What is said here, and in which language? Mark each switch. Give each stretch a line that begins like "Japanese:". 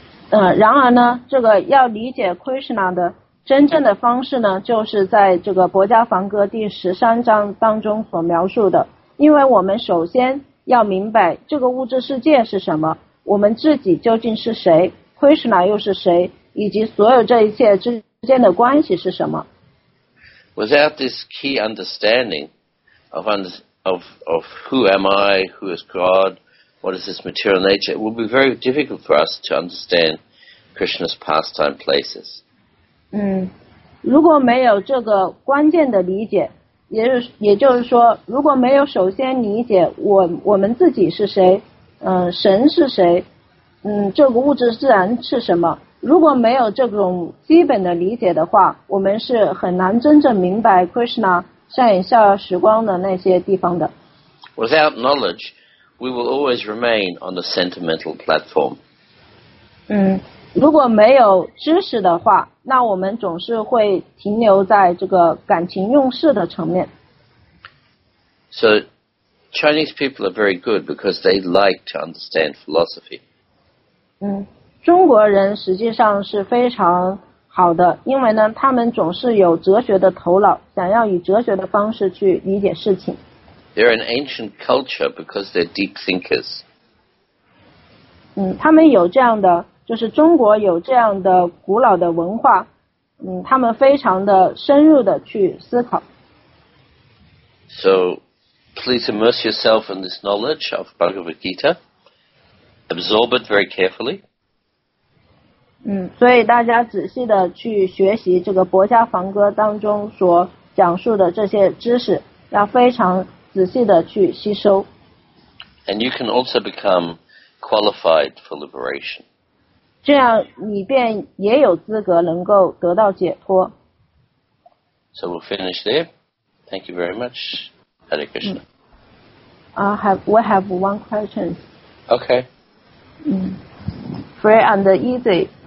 Chinese: 然而呢，这个要理解 Krishna 的真正的方式呢，就是在这个《薄伽梵歌》第十三章当中所描述的。因为我们首先要明白这个物质世界是什么，我们自己究竟是谁，Krishna 又是谁，以及所有这一切之间的关系是什么。
English: Without this key understanding. Of who am I, who is God, what is this material nature, it will be very difficult for us to understand Krishna's pastime places.
Chinese: 如果没有这个关键的理解，也就是说，如果没有首先理解我们自己是谁，神是谁，这个物质自然是什么，如果没有这种基本的理解的话，我们是很难真正明白 Krishna 善眼笑耀时光的那些地方的。
English: Without knowledge, we will always remain on the sentimental platform.
Chinese: 如果没有知识的话，那我们总是会停留在这个感情用事的层面。
English: So, Chinese people are very good because they like to understand philosophy.
Chinese: 中国人实际上是非常好的，因为呢，他们总是有哲学的头脑，想要以哲学的方式去理解事情。
English: They're an ancient culture because they're deep thinkers.
Chinese: 他们有这样的，就是中国有这样的古老的文化，他们非常的深入的去思考。
English: So, please immerse yourself in this knowledge of Bhagavad Gita. Absorb it very carefully.
Chinese: 所以大家仔细的去学习这个《博伽梵歌》当中所讲述的这些知识，要非常仔细的去吸收。
English: And you can also become qualified for liberation.
Chinese: 这样你便也有资格能够得到解脱。
English: So we'll finish there. Thank you very much, Hare Krishna. We have one question. Okay. Free and easy.